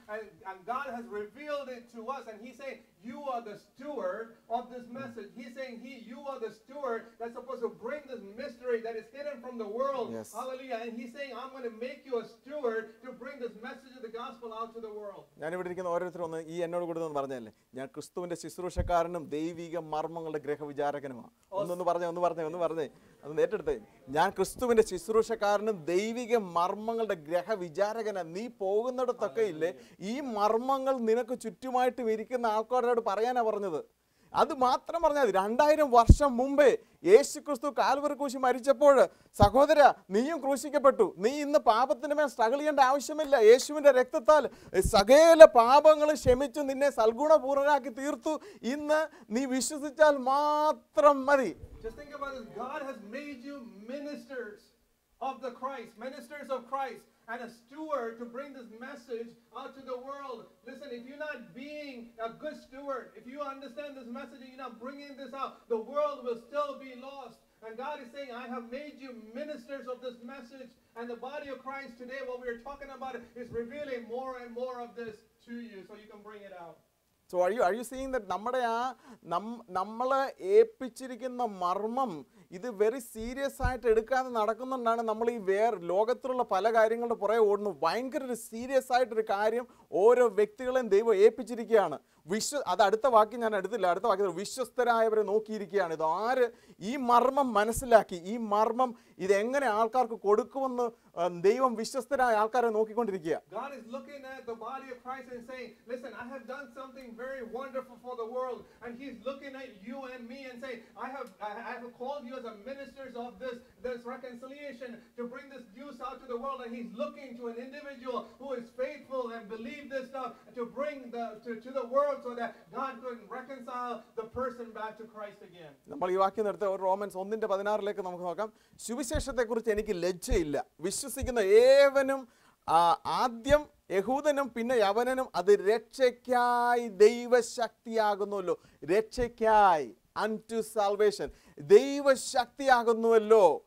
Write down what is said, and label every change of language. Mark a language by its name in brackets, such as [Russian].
[English] And God has revealed it to us. And he's saying, you are the steward of this message. He's saying, you are the steward that's supposed to bring this mystery that is hidden from the world. Yes. Hallelujah. And he's saying, I'm going to make you a steward to bring this message of the gospel out to the world. [Malayalam] ഞാൻ ഇവിടെ ഇരിക്കുന്ന ഓരോരുത്തരും ഈ എന്നോട് കൂടെ ഒന്ന് പറഞ്ഞല്ലേ, ഞാൻ ക്രിസ്തുവിന്റെ ശുശ്രൂഷക്കാരനും ദൈവിക മർമ്മങ്ങളുടെ ഗ്രഹവിചാരകനുമാണ്. ഒന്ന് പറഞ്ഞേ ഞാൻ ക്രിസ്തുവിന്റെ ശുശ്രൂഷക്കാരനും ദൈവിക മർമ്മങ്ങളുടെ ഗ്രഹവിചാരകന. നീ പോകുന്നിടത്തൊക്കെ ഇല്ലേ ഈ മർമ്മങ്ങൾ നിനക്ക് ചുറ്റുമായിട്ട് ഇരിക്കുന്ന ആൾക്കാരോട് പറയാനാ പറഞ്ഞത്? അത് മാത്രം പറഞ്ഞാൽ മതി. 2000 വർഷം മുമ്പേ യേശു ക്രിസ്തു കാൽവറി ക്രൂശി മരിച്ചപ്പോൾ, സഹോദര നീയും ക്രൂശിക്കപ്പെട്ടു, നീ ഇന്ന് പാപത്തിന് മേൽ സ്ട്രഗിൾ ചെയ്യേണ്ട ആവശ്യമില്ല, യേശുവിൻ്റെ രക്തത്താൽ സകല പാപങ്ങളും ക്ഷമിച്ചു, നിന്നെ സൽഗുണപൂർണനാക്കി തീർത്തു, ഇന്ന് നീ വിശ്വസിച്ചാൽ മാത്രം മതി. [English] Just think about this. God has made you ministers of the Christ, ministers of Christ, and a steward to bring this message out to the world. Listen, if you're not being a good steward, if you understand this message and you're not bringing this out, the world will still be lost. And God is saying, I have made you ministers of this message, and the body of Christ today, what we are talking about, is revealing more and more of this to you so you can bring it out. So are you seeing that [Malayalam] നമ്മുടെ ആ നമ്മളെ ഏൽപ്പിച്ചിരിക്കുന്ന മർമ്മം ഇത് [English] very serious [Malayalam] ആയിട്ട് എടുക്കാതെ നടക്കുന്നുണ്ടാണ് നമ്മൾ ഈ വേറെ ലോകത്തിലുള്ള പല കാര്യങ്ങളുടെ പുറകെ ഓടുന്നു. ഭയങ്കര ഒരു സീരിയസ് ആയിട്ടൊരു കാര്യം ഓരോ വ്യക്തികളെയും ദൈവം ഏൽപ്പിച്ചിരിക്കുകയാണ്. അത് അടുത്ത വാക്യം ഞാൻ എടുത്തില്ല. അടുത്ത വാക്യം വിശ്വസ്തരായവരെ നോക്കിയിരിക്കുകയാണ്. ഇത് ആര് ഈ മർമ്മം മനസ്സിലാക്കി, ഈ മർമ്മം ഇത് എങ്ങനെ ആൾക്കാർക്ക് കൊടുക്കുമെന്ന് ദൈവം വിശ്വസ്തരായ ആൾക്കാരെ നോക്കിക്കൊണ്ടിരിക്കുക. [English] God is looking at the body of Christ and saying, listen, I have done something very wonderful for the world. And he's looking at you and me and saying, I have called you as a ministers of this reconciliation to bring this news out to the world. And he's looking to an individual who is faithful and believe this stuff to bring to the world so that God can reconcile the person back to Christ again. [Malayalam] നമ്മൾ ഈ വാക്യം നേരത്തെ Romans 1:16 ലേക്ക് നമുക്ക് നോക്കാം. സുവിശേഷത്തെ കുറിച്ച് എനിക്ക് ലജ്ജയില്ല, വിശ്വസിക്കുന്ന ഏവനും ആദ്യം യഹൂദനും പിന്നെ യവനനും, അത് രക്ഷയ്ക്കായി ദൈവശക്തിയാകുന്നുവല്ലോ. രക്ഷയ്ക്കായി, [English] unto salvation, [Malayalam] ദൈവശക്തിയാകുന്നുവല്ലോ.